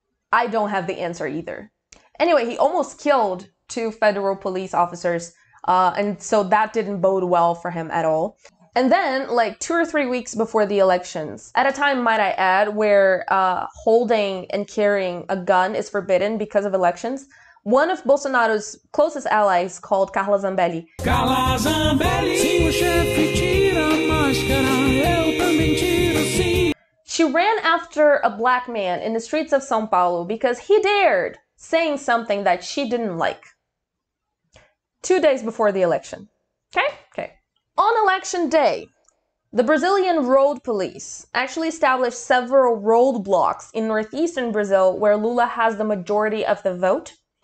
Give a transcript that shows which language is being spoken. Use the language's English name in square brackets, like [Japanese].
[English] I don't have the answer either. Anyway, he almost killed 2 federal police officers, and so that didn't bode well for him at all. And then, like 2 or 3 weeks before the elections, at a time, might I add, where holding and carrying a gun is forbidden because of elections, one of Bolsonaro's closest allies called Carla Zambelli. Carla Zambelli! [Portuguese] Sim, o chefe tira a máscara, eu também tiro, sim. [English] She ran after a black man in the streets of São Paulo because he dared saying something that she didn't like. 2 days before the election. Okay? Okay. On election day, the Brazilian road police actually established several roadblocks in northeastern Brazil where Lula has the majority of the vote.